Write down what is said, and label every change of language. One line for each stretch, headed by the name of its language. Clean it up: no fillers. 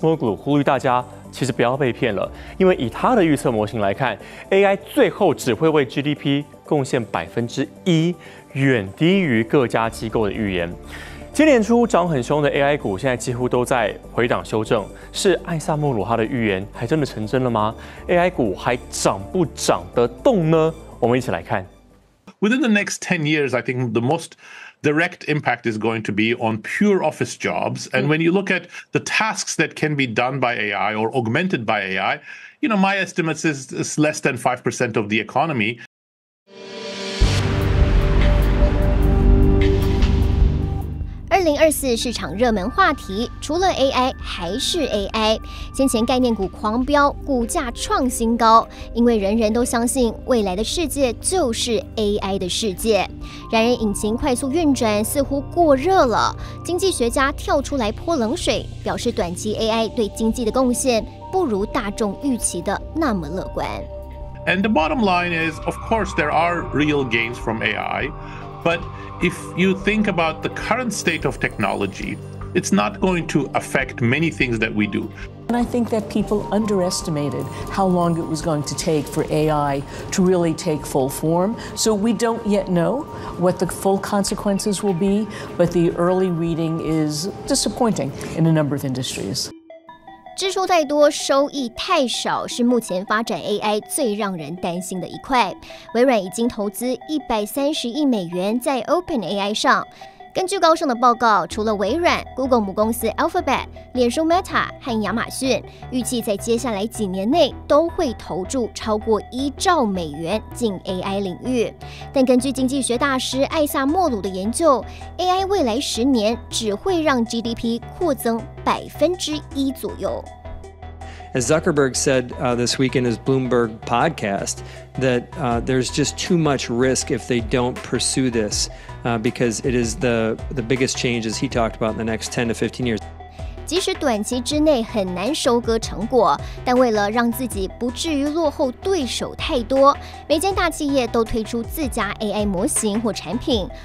Chinese: Moglu 呼吁大家其实不要被骗了，因为以他的预测模型来看， AI 最后只会为 GDP 贡献1%，远低于各家机构的预言。今年初涨很凶的 AI 股现在几乎都在回档修正，是艾萨莫鲁他的预言还真的成真了吗？ AI 股还涨不涨得动呢？我们一起来看。
English: Within the next 10 years, I think the mostDirect impact is going to be on pure office jobs. And when you look at the tasks that can be done by AI or augmented by AI, you know, my estimate is less than 5% of the economy.
Chinese: 2024市场热门话题，除了 AI 还是 AI。先前概念股狂飙，股价创新高，因为人人都相信未来的世界就是 AI 的世界。然而，引擎快速运转似乎过热了。经济学家跳出来泼冷水，表示短期 AI 对经济的贡献不如大众预期的那么乐观。
English: And the bottom line is, of course, there are real gains from AI, but if you think about the current state of technology, it's not going to affect many things that we do. And I think that people underestimated how long it was going to take for AI to really take full form. So we don't yet know what the full consequences will be, but the early reading is disappointing in a number of industries.
Chinese: 支出太多，收益太少，是目前发展 AI 最让人担心的一块。微软已经投资130亿美元在 OpenAI 上。根据高盛的报告，除了微软 ，Google 母公司 Alphabet、脸书 Meta 和亚马逊，预计在接下来几年内都会投注超过1兆美元进 AI 领域。但根据经济学大师艾萨莫鲁的研究 ，AI 未来10年只会让 GDP 扩增1%左右。
English: As Zuckerberg said this week in his Bloomberg podcast, that there's just too much risk if they don't pursue this, because it is the biggest change, as he talked about, in the next 10 to 15 years.
Chinese: 即使短期之内很难收割成果，但为了让自己不至于落后对手太多，每间大企业都推出自家 AI 模型或产品。